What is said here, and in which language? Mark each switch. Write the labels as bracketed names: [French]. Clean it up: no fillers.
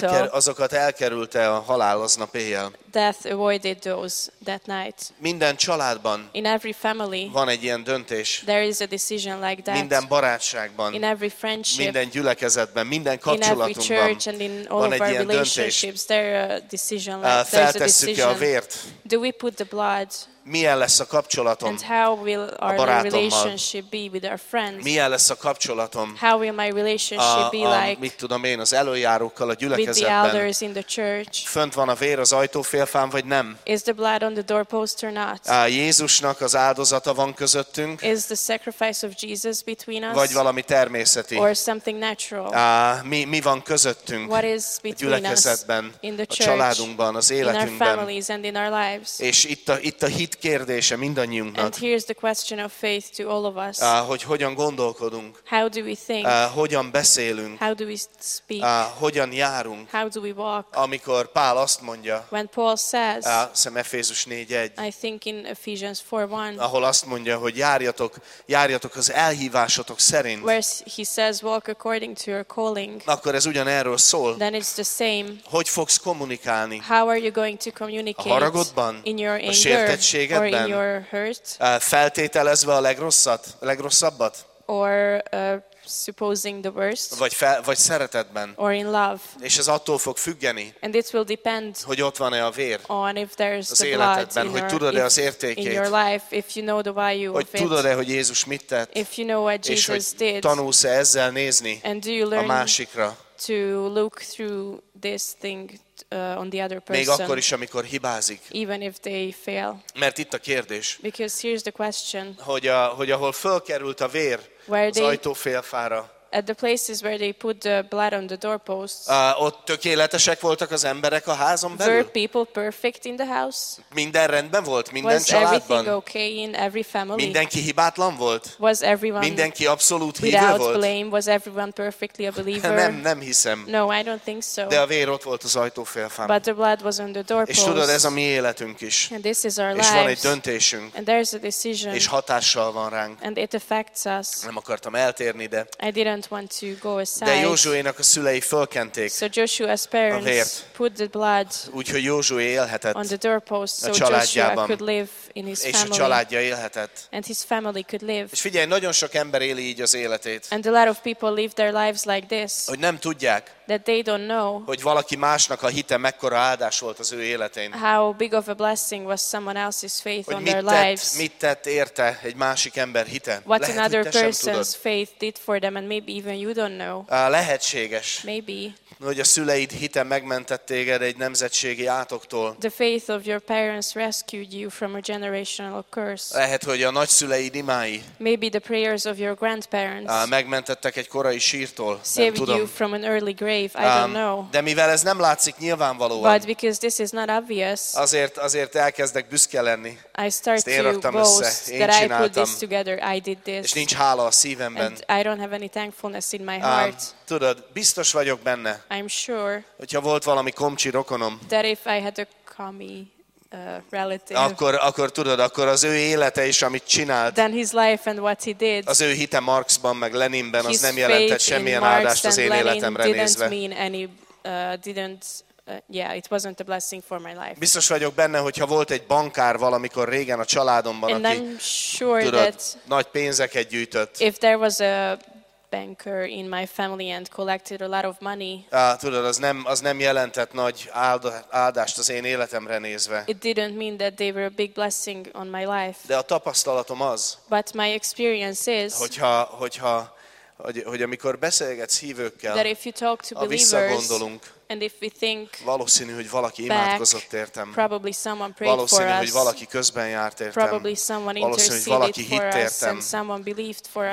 [Hungarian] Azokat elkerülte a halál aznap éjjel. [English] Death avoided those that night. [Hungarian] Minden családban. [English] In every family. [Hungarian] Van egy ilyen döntés. [English] There is a decision like that. [Hungarian] Minden barátságban. [English] In every friendship. [Hungarian] Minden gyülekezetben, minden kapcsolatunkban. [English] In every church and in all of our relationships there a decision like that. [Hungarian] Feltesszük-e a vért? [English] Do we put the blood? [Hungarian] Milyen lesz a kapcsolatom? [English] And how will our relationship be with our friends? [Hungarian] Milyen lesz a kapcsolatom? [English] How will my relationship be like? [Hungarian] Mit tudom én az előjárókkal a gyülekezetben? [English] With the elders in the church. [Hungarian] Fönt van a vér az ajtófélfán vagy nem? [English] Is the blood on the doorpost or not? [Hungarian] Jézusnak az áldozata van közöttünk? [English] Is the sacrifice of Jesus between us? [Hungarian] Vagy valami természeti? [English] Or something natural? [Hungarian] Mi van közöttünk? [English] What is between [Hungarian] a gyülekezetben, [English] us? In the church, [Hungarian] a családunkban, az életünkben. [English] In our families and in our lives. [Hungarian] És itt a hit kérdése mindannyiunknak. [English] And here's the question of faith to all of us. [Hungarian] Hogy hogyan gondolkodunk? [English] How do we think? [Hungarian] Hogyan beszélünk? [English] How do we speak? [Hungarian] Hogyan járunk? [English] How do we walk? [Hungarian] Amikor Pál azt mondja. [English] When Paul says. [Hungarian] Efézus 4:1. [English] I think in Ephesians 4:1. [Hungarian] Ahol azt mondja, hogy járjatok az elhívásotok szerint. [English] Where he says walk according to your calling. [Hungarian] Akkor ez ugyanerről szól. [English] Then it's the same. [Hungarian] Hogy fogsz kommunikálni? [English] How are you going to communicate? [Hungarian] A haragodban? [English] In your anger. Or in your hurt? [Hungarian] Feltételezve a legrosszabbat? [English] Or supposing the worst? [Hungarian] Vagy szeretetben? [English] Or in love? [Hungarian] És ez attól fog függeni. [English] And it will depend. [Hungarian] Hogy ott van-e a vér? [English] On if there's [Hungarian] az [English] the [Hungarian] életedben, [English] blood. [Hungarian] Tudod-e az értékét? [English] In your life, if you know the value [Hungarian] hogy [English] of it. [Hungarian] Tudod-e, hogy Jézus mit tett? [English] If you know what Jesus [Hungarian] és hogy [English] did. [Hungarian] Tanulsz-e ezzel nézni? [English] And do you learn [Hungarian] a másikra? [English] To look through this thing on the other person. [Hungarian] Még akkor is, amikor hibázik. [English] Even if they fail. [Hungarian] Mert itt a kérdés. [English] Because here's the question. [Hungarian] Hogy ahol fölkerült a vér az ajtófélfára. [English] At the places where they put the blood on the doorposts. [Hungarian] Ott tökéletesek voltak az emberek a házon belül. [English] Were people perfect in the house? [Hungarian] Minden rendben volt minden családban. [English] Was everything okay in every family? [Hungarian] Mindenki hibátlan volt. [English] Was everyone? [Hungarian] Mindenki abszolút hívő volt. [English] Without blame, was everyone perfectly a believer? [Hungarian] Nem hiszem. [English] No, I don't think so. [Hungarian] De a vér ott volt az ajtófélfán. [English] But the blood was on the doorpost. [Hungarian] És tudod, ez a mi életünk is. [English] And this is our lives. [Hungarian] És van egy döntésünk. [English] And there's a decision. [Hungarian] És hatással van ránk. [English] And it affects us. [Hungarian] Nem akartam eltérni, de. [English] I didn't want to go aside. [Hungarian] De Józsuénak a szülei fölkenték. [English] So Joshua's parents put the blood. [Hungarian] Úgyhogy Józsué élhetett. [English] On the doorpost, [Hungarian] a családjában. [English] So Joshua could live in his family. [Hungarian] És a családja élhetett. [English] And his family could live. [Hungarian] És figyelj, nagyon sok ember éli így az életét. [English] And a lot of people live their lives like this. [Hungarian] Hogy nem tudják. [English] That they don't know. [Hungarian] Hogy valaki másnak a hite mekkora áldás volt az ő életén. [English] How big of a blessing was someone else's faith [Hungarian] hogy [English] on their lives. [Hungarian] Mit tett érte egy másik ember hite? [English] What [Hungarian] lehet, [English] another person's faith did for them, and maybe even you don't know. [Hungarian] Lehetséges. [English] Maybe. [Hungarian] Hogy a szüleid hite megmentett téged egy nemzetségi átoktól. [English] The faith of your parents rescued you from a generational curse. [Hungarian] Lehet, hogy a nagyszüleid imái. [English] Maybe the prayers of your grandparents. [Hungarian] Megmentettek egy korai sírtól. [English] Saved [Hungarian] nem tudom. [English] You from an early grave. I don't know. [Hungarian] De mivel ez nem látszik nyilvánvalóan. [English] But because this is not obvious. [Hungarian] Azért elkezdek büszke lenni. [English] I start [Hungarian] ezt én raktam [English] to [Hungarian] össze. [English] Boast [Hungarian] én [English] that [Hungarian] csináltam. [English] I put this together. I did this. [Hungarian] És nincs hála a szívemben. [English] And I don't have any thankfulness in my heart. [Hungarian] Tudod, biztos vagyok benne. [English] I'm sure. [Hungarian] Hogyha volt valami komcsi rokonom. [English] That if I had a commie relative. [Hungarian] Akkor tudod, akkor az ő élete is, amit csinált. [English] Then his life and what he did. [Hungarian] Az ő hite Marxban meg Leninben az nem jelentett semmilyen áldást az én életemre nézve. [English] His faith in Marx and Lenin didn't mean any, it wasn't a blessing for my life. [Hungarian] Biztos vagyok benne, hogyha volt egy bankár valamikor régen a családomban, [English] and [Hungarian] aki [English] sure [Hungarian] tudod, nagy pénzeket gyűjtött. [English] If there was a banker in my family and collected a lot of money. [Hungarian] Tudod, az nem jelentett nagy áldást az én életemre nézve. [English] It didn't mean that they were a big blessing on my life. [Hungarian] De a tapasztalatom az. [English] But my experience is. [Hungarian] Hogyha hogy amikor beszélgetsz hívőkkel, [English] that if you talk to [Hungarian] visszagondolunk, [English] and if we think [Hungarian] valószínű, hogy valaki imádkozott értem, [English] probably someone prayed [Hungarian] valószínű, [English] for us, [Hungarian] hogy valaki közben járt értem, [English] probably someone [Hungarian] valószínű, hogy valaki hitt értem, [English] and someone believed for us,